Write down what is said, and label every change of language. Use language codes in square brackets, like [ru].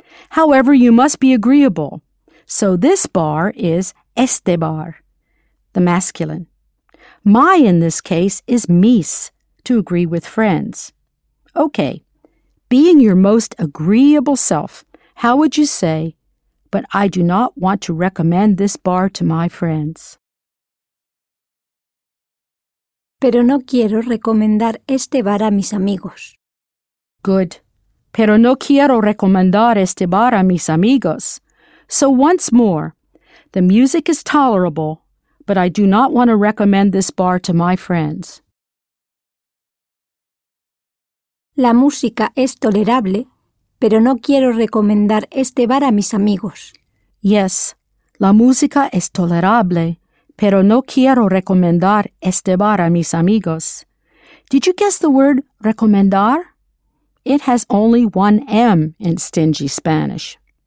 [en] However, you must be agreeable. So this bar is este bar, the masculine. My, in this case, is mis, to agree with friends. Okay, being your most agreeable self, how would you say, but I do not want to recommend this bar to my friends? [es] Pero no quiero recomendar este bar a mis amigos. [en] Good. [es] Pero no quiero recomendar este bar a mis amigos. [en] So once more, the music is tolerable, but I do not want to recommend this bar to my friends. [es] La música es tolerable, pero no quiero recomendar este bar a mis amigos. Yes, la música es tolerable, pero no quiero recomendar este bar a mis amigos. [en] Did you guess the word recomendar? It has only one M in stingy Spanish.